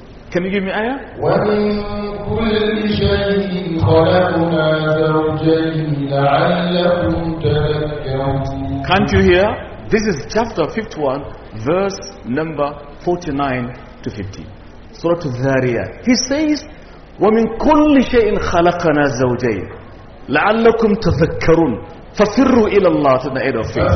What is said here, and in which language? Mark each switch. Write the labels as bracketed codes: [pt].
[en] Can you give me ayah? [ar] وَمِن كُلِّ شَيْءٍ خَلَقْنَا زَوْجَيْنِ لَعَلَّكُمْ تَذَكَّرُونَ. [en] Can't you hear? This is chapter 51, verse number 49 to 50. Surah Al-Dhariyat. He says, [ar] وَمِن كُلِّ شَيْءٍ خَلَقْنَا زَوْجَيْنِ لَعَلَّكُمْ تَذَكَّرُونَ. فَفِرُّوا إِلَى اللَّهِ [en] to the aid of faith.